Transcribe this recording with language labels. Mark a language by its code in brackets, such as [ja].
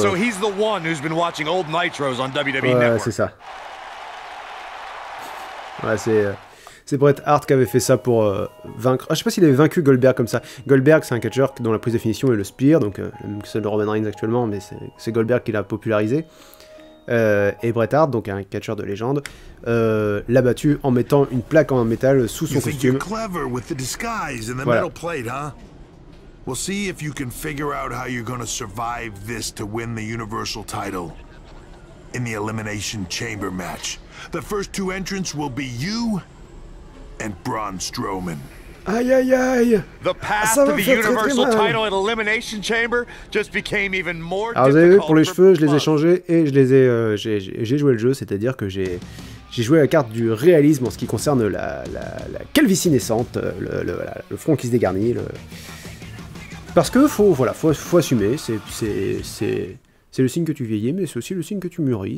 [en] So he's the one who's been watching old Nitros on WWE [fr] Network. Ouais, c'est ça. Ouais, c'est Bret Hart qui avait fait ça pour vaincre. Ah, je sais pas s'il avait vaincu Goldberg comme ça. Goldberg, c'est un catcher dont la prise de finition est le Spear, donc même que celle de Roman Reigns actuellement, mais c'est Goldberg qui l'a popularisé. Et Bret Hart, donc un catcheur de légende, l'a battu en mettant une plaque en métal sous son costume. Voilà. [en] We'll see if you can figure out how you're gonna survive this to win the Universal title in the Elimination Chamber match. The first two entrants will be you and Braun Strowman. Aïe aïe aïe! The path to the Universal title at Elimination Chamber just became even more difficult. [fr] Alors, vous avez vu, pour les cheveux, je les ai changés et je les ai. J'ai joué le jeu, c'est-à-dire que j'ai joué la carte du réalisme en ce qui concerne la calvitie naissante, le front qui se dégarnit. Parce que faut assumer, c'est le signe que tu vieillis, mais c'est aussi le signe que tu mûris.